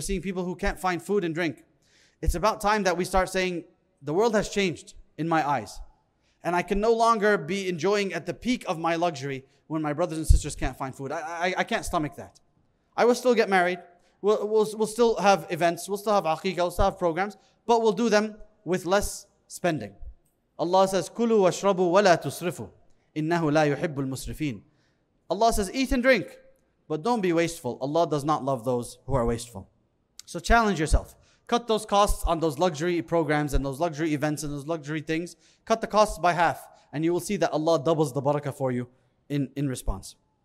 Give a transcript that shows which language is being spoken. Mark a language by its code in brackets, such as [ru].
[en] We're seeing people who can't find food and drink. It's about time that we start saying, the world has changed in my eyes. And I can no longer be enjoying at the peak of my luxury when my brothers and sisters can't find food. I can't stomach that. I will still get married. We'll still have events. We'll still have aqiqah. We'll still have programs. But we'll do them with less spending. Allah says, [ar] كُلُوا وَاشْرَبُوا وَلَا تُصْرِفُوا إِنَّهُ لَا يُحِبُّ الْمُسْرِفِينَ. [en] Allah says, eat and drink, but don't be wasteful. Allah does not love those who are wasteful. So challenge yourself. Cut those costs on those luxury programs and those luxury events and those luxury things. Cut the costs by half, and you will see that Allah doubles the barakah for you in response.